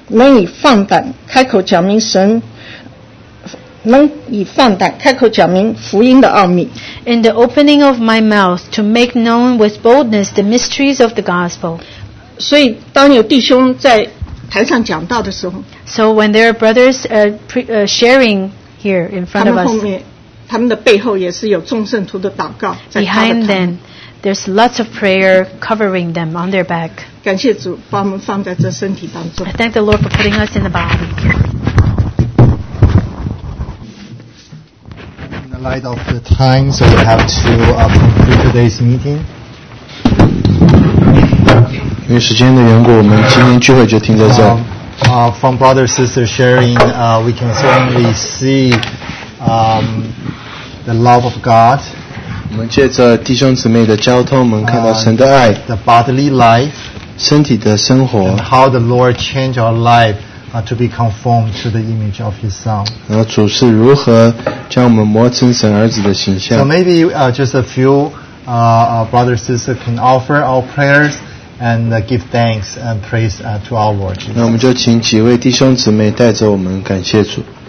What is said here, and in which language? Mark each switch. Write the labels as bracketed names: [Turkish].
[Chinese] 能以放胆开口讲明福音的奥秘, [English] in the opening of my mouth to make known with boldness the mysteries of the gospel. [Chinese] 所以当有弟兄在 [English] So when their brothers are sharing here in front of us, [Chinese] 他们的背后也是有众圣徒的祷告, [English] behind them, there's lots of prayer covering them on their back. [Chinese] 感谢主把我们放在这身体当中。 [English] I thank the Lord for putting us in the body. In the light of the time, so we have to conclude today's meeting. [Chinese] 因为时间的缘故，我们今天聚会就停在这。 [English] From brother sister sharing, we can certainly see the love of God. [Chinese] 我们借着弟兄姊妹的交通，我们看到神的爱。 [English] The bodily life, [Chinese] 身体的生活。 [English] And how the Lord changed our life to be conformed to the image of His Son. [Chinese] 然后主是如何将我们磨成神儿子的形象。 [English] So maybe just a few brother sister can offer our prayers. And give thanks and praise to our Lord Jesus. [Chinese] 那我们就请几位弟兄姊妹带着我们感谢主。